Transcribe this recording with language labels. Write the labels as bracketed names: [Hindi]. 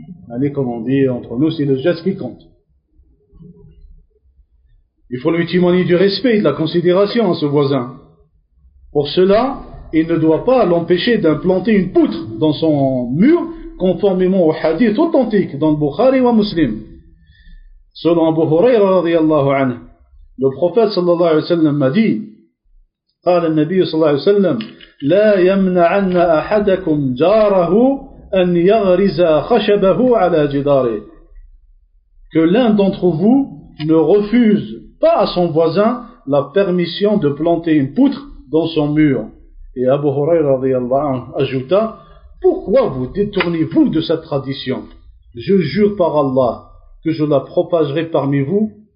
[French] Allez, comme on dit entre nous, c'est le geste qui compte. Il faut lui témoigner du respect et de la considération à ce voisin. Pour cela, il ne doit pas l'empêcher d'implanter une poutre dans son mur, conformément au hadith authentique dans le Bukhari ou Muslim. Selon Abu Huraira radiallahu anhu, le prophète sallallahu alayhi wa sallam m'a dit, [Arabic] قال النبي صلى الله عليه وسلم لا يمنعن أحدكم جاره أن يغرز خشبه على جداره. [French] Que l'un d'entre vous ne refuse pas à son voisin la permission de planter une poutre dans son mur. Et Abu Huraira radiallahu anhu ajouta, pourquoi vous détournez-vous de cette tradition? Je jure par Allah que je la propagerai parmi vous.